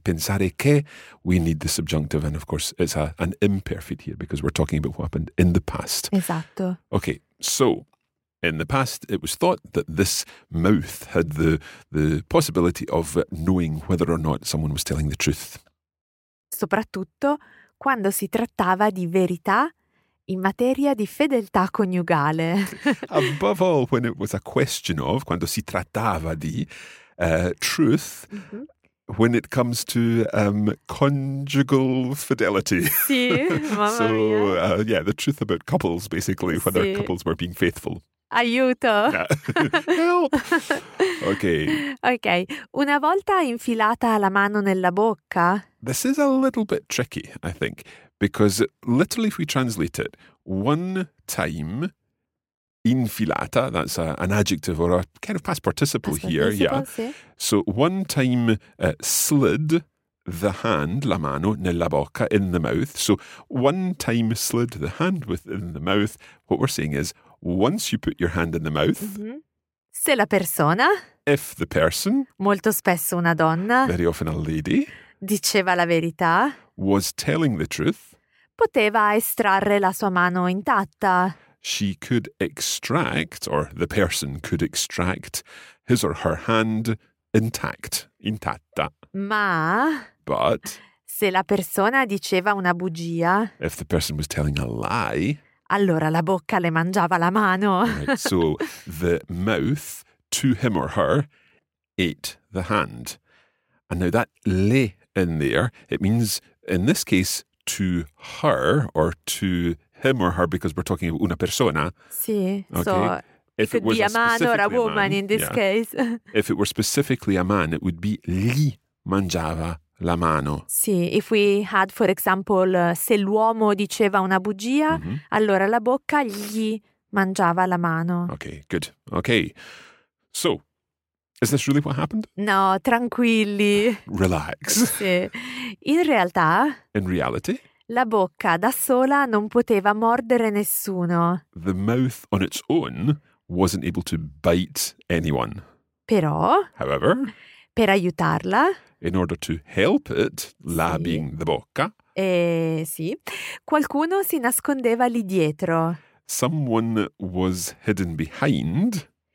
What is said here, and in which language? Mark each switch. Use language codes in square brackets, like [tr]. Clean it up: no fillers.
[it] Pensare che [en] we need the subjunctive, and of course it's an imperfect here because we're talking about what happened in the past. [it] Esatto. [en] Okay, so In the past, it was thought that this mouth had the possibility of knowing whether or not someone was telling the truth. [it] Soprattutto quando si trattava di verità in materia di fedeltà coniugale. [en] Above all, when it was a question of, [it] quando si trattava di [en] truth, mm-hmm. when it comes to conjugal fidelity. [it] Sì, mamma mia. [en] So, yeah, the truth about couples, basically, whether sì. couples were being faithful. [it] Aiuto! [en] Help! Okay. Okay. [it] Una volta infilata la mano nella bocca... [en] This is a little bit tricky, I think, because literally if we translate it, one time, infilata, that's an adjective or a kind of past participle past here, participle, yeah. [it] Sì. [en] So one time slid the hand, [it] la mano, nella bocca, [en] in the mouth. So one time slid the hand within the mouth, what we're saying is... Once you put your hand in the mouth, [it] mm-hmm. se la persona, [en] if the person, [it] molto spesso una donna, [en] very often a lady, [it] diceva la verità, [en] was telling the truth, [it] poteva estrarre la sua mano intatta. [en] She could extract, or the person could extract, his or her hand intact, intatta. [it] Ma, [en] but, [it] se la persona diceva una bugia, [en] if the person was telling a lie, [it] allora la bocca le mangiava la mano. [en] Right, so the mouth to him or her ate the hand. And now that le in there, it means in this case to her or to him or her because we're talking about una persona. Sì, okay. So if it could be a man or a woman in this yeah. case. If it were specifically a man, it would be [it] gli mangiava la mano. Sì, [en] if we had, for example, [it] se l'uomo diceva una bugia, mm-hmm. allora la bocca gli mangiava la mano. [en] Okay, good. Okay. So, is this really what happened? [it] No, tranquilli. [en] Relax. [it] Sì. In realtà... [en] In reality? [it] La bocca da sola non poteva mordere nessuno. [en] The mouth on its own wasn't able to bite anyone. [it] Però... [en] However... [it] Per aiutarla... [en] In order to help it, la [it] sì. [en] being the bocca. [it] Sì. Qualcuno si nascondeva lì dietro. [en] Someone was hidden behind.